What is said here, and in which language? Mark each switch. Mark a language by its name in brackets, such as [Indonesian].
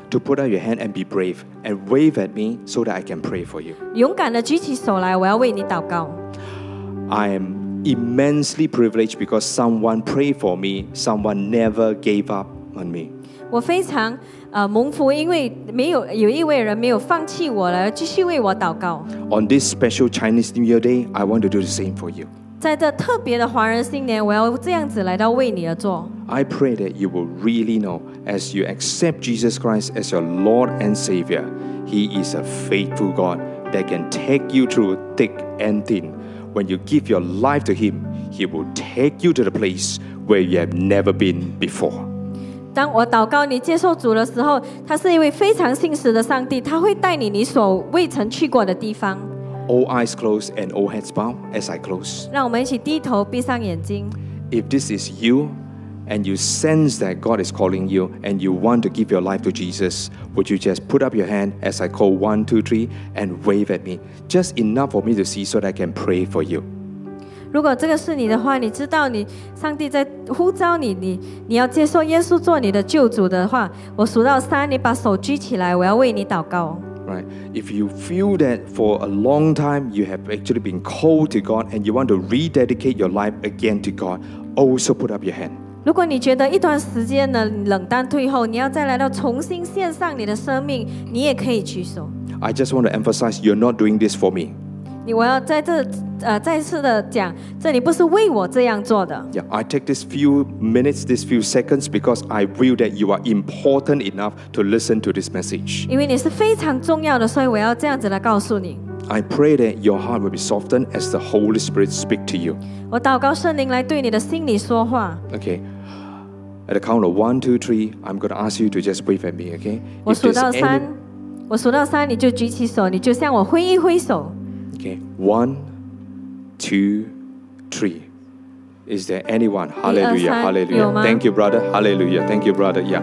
[English] to put out your hand and be brave and wave at me so that I can pray for you. [Chinese] 勇敢地举起手来, 我要为你祷告。 [English] I am immensely privileged because someone prayed for me, someone never gave up on me. [Chinese] 我非常 蒙福，因为没有一位人没有放弃我了，继续为我祷告。 [English] On this special Chinese New Year Day, I want to do the same for you. [Chinese] 在这特别的华人新年，我要这样子来到为你而做。 [English] I pray that you will really know, as you accept Jesus Christ as your Lord and Savior, He is a faithful God that can take you through thick and thin. When you give your life to Him, He will take you to the place where you have never been before. [Chinese] 当我祷告你接受主的时候, 祂是一位非常信实的上帝, 祂会带你你所未曾去过的地方。 [English] All eyes closed and all heads bowed as I close. [Chinese] 让我们一起低头, 闭上眼睛。 [English] If this is you, and you sense that God is calling you, and you want to give your life to Jesus, would you just put up your hand as I call 1, 2, 3, and wave at me. Just enough for me to see so that I can pray for you. [Chinese] 如果这个是你的话, 你知道你, 上帝在呼召你, 你, 你要接受耶稣做你的救主的话, 我数到三, 你把手举起来, 我要为你祷告。 [English] Right. If you feel that for a long time you have actually been called to God and you want to rededicate your life again to God, also put up your hand. [Chinese] 如果你觉得一段时间的冷淡退后, 你要再来到重新献上你的生命, 你也可以举手。 [English] I just want to emphasize, you're not doing this for me. [Chinese] 我要在这, 再次的讲, 这里不是为我这样做的。 [English] Yeah, I take this few minutes, this few seconds, because I feel that you are important enough to listen to this message. [Chinese] 因为你是非常重要的, 所以我要这样子来告诉你。 [English] I pray that your heart will be softened as the Holy Spirit speaks to you. [Chinese] 我祷告圣灵来对你的心里说话。 [English] Okay. At the count of 1, 2, 3, I'm going to ask you to just wave at me, okay? [Chinese] 我数到三, 我数到三, 你就举起手, 你就向我挥一挥手。 [English] Okay, 1, 2, 3. Is there anyone? Hallelujah, 1, 2, hallelujah. Thank you, brother. Hallelujah, thank you, brother. Yeah.